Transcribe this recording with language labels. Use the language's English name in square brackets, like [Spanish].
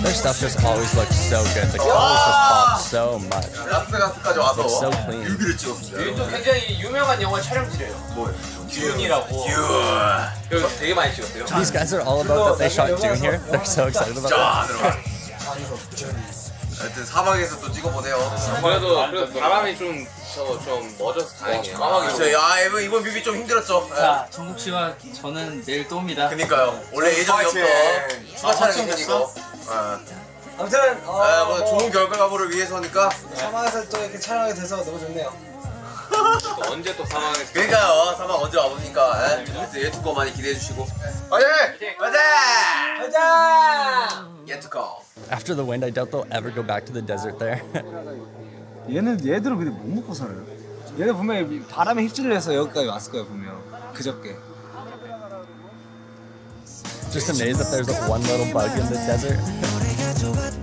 [English] Their stuff just always looks so good. The colors just pop so much. It's so clean. These guys are all about that they shot Dune here. They're so excited about that. [Korean] 하여튼 사막에서 또 찍어보네요. 그래도 바람이 좀 저 좀 멎었어요. 사막이 저희 아 이번 뮤비 좀 힘들었죠. 자 정국 씨와 저는 내일 또 옵니다. 그니까요. 원래 예정이었던 추가 촬영이고. 아무튼 뭐 좋은 결과물을 위해서니까 사막에서 또 이렇게 촬영이 돼서 너무 좋네요. 언제 또 사막에서? 그러니까요. 사막 언제 와보니까 예투 거 많이 기대해 주시고. 화이팅! 화이팅! 화이팅! 예투 거. [English] After the wind, I doubt they'll ever go back to the desert there. [Korean] 얘는 얘들은 근데 못 먹고 살아요. 얘네 분명 바람에 휩쓸려서 여기까지 왔을 거예요 분명 그저께. [English] Just amazed that there's like one little bug in the desert.